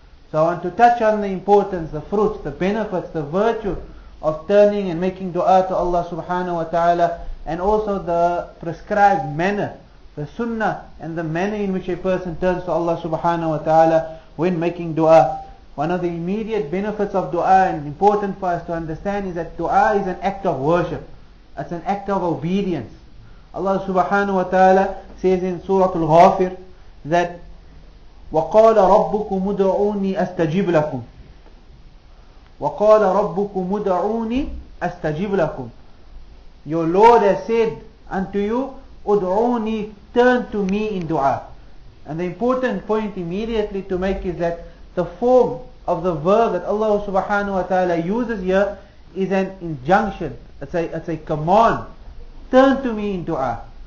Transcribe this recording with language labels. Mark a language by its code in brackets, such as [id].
[en] So I want to touch on the importance, the fruits, the benefits, the virtue of turning and making dua to Allah subhanahu wa ta'ala, and also the prescribed manner, the sunnah, and the manner in which a person turns to Allah subhanahu wa ta'ala when making dua. One of the immediate benefits of dua, and important for us to understand, is that dua is an act of worship. It's an act of obedience. Allah subhanahu wa ta'ala says in Surah Al-Ghafir that [ar] وَقَالَ رَبُّكُمُ دَعُونِي أَسْتَجِبْ لَكُمْ وَقَالَ رَبُّكُمُ دَعُونِي أَسْتَجِبْ لَكُمْ. [en] Your Lord has said unto you, Ud'uni, turn to me in dua. And the important point immediately to make is that the form of the verb that Allah subhanahu wa ta'ala uses here is an injunction. It's a command. Turn to me in dua.